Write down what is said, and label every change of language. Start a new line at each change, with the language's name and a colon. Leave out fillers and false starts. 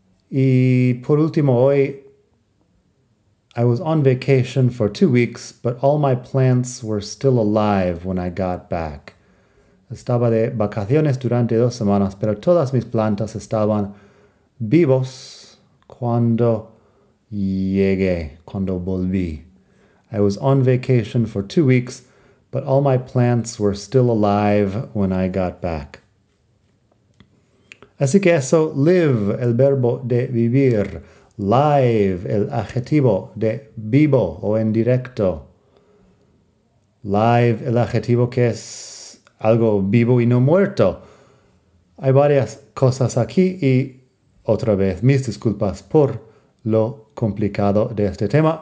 Spanish: Y por último hoy,
English: I was on vacation for 2 weeks, but all my plants were still alive when I got back.
Spanish: Estaba de vacaciones durante 2 semanas, pero todas mis plantas estaban vivos cuando Llegué cuando volví.
English: I was on vacation for 2 weeks, but all my plants were still alive when I got back.
Spanish: Así que eso, live, el verbo de vivir. Live, el adjetivo de vivo o en directo. Live, el adjetivo que es algo vivo y no muerto. Hay varias cosas aquí y otra vez mis disculpas por lo complicado de este tema.